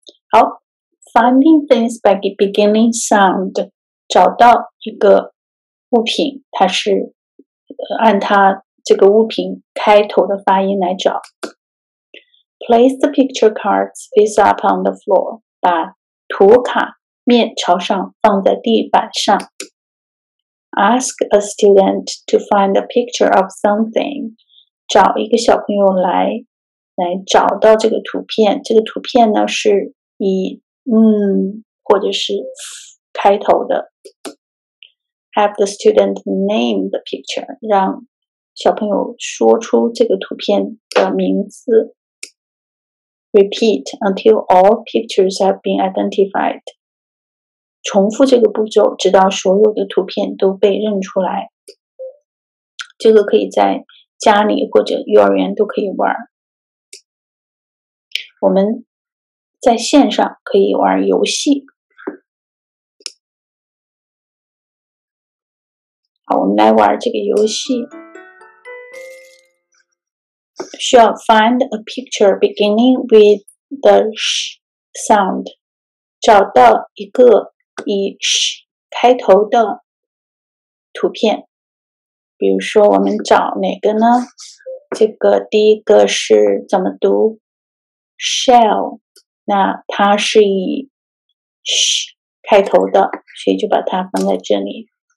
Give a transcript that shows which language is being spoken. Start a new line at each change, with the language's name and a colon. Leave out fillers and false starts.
Chinese: 好，
English: Finding things by the beginning sound，
Chinese: 找到一个物品，它是按它这个物品开头的发音来找。
English: Place the picture cards face up on the floor，
Chinese: 把图卡面朝上放在地板上。
English: Ask a student to find a picture of something.
Chinese: 找一个小朋友来找到这个图片。这个图片呢是以或者是开头的。
English: Have the student name the picture.
Chinese: 让小朋友说出这个图片的名字。
English: Repeat until all pictures have been identified.
Chinese: 重复这个步骤，直到所有的图片都被认出来。这个可以在家里或者幼儿园都可以玩。我们在线上可以玩游戏。好，我们来玩这个游戏。需要
English: find a picture beginning with the sh sound.
Chinese: 找到一个以 sh 开头的图片。比如说我们找哪个呢？这个第一个是怎么读 ?shell, 那它是以 sh 开头的，所以就把它放在这里。